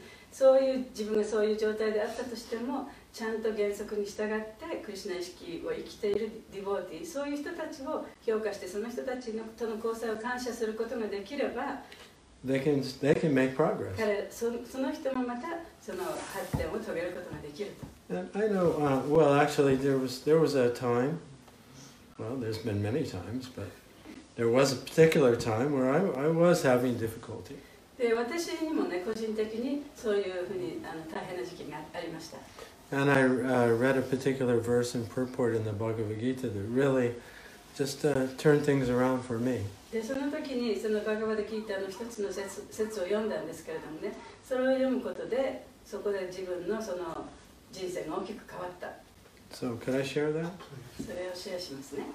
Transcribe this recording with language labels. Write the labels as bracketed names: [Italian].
[Japanese] そういう自分がそういう状態であったとしてもちゃんと原則に従ってクリシナ意識を生きているディボーティーそういう人たちを評価してその人たちのとの交際を感謝することができれば [English] they can make progress. [Japanese] 彼 その人もまたその発展を遂げることができると [English] I know, well actually there was a time well there's been many times but there was a particular time where I was having difficulty. [Japanese] で私にもね個人的にそういうふうにあの大変な時期がありました。 [English] And I read a particular verse and purport in the Bhagavad Gita that really just turned things around for me. [Japanese] でその時にそのバガヴァデギータの一つの説を読んだんですけれどもね、それを読むことでそこで自分のその人生が大きく変わった。 [English] So could I share that? [Japanese] それをシェアしますね。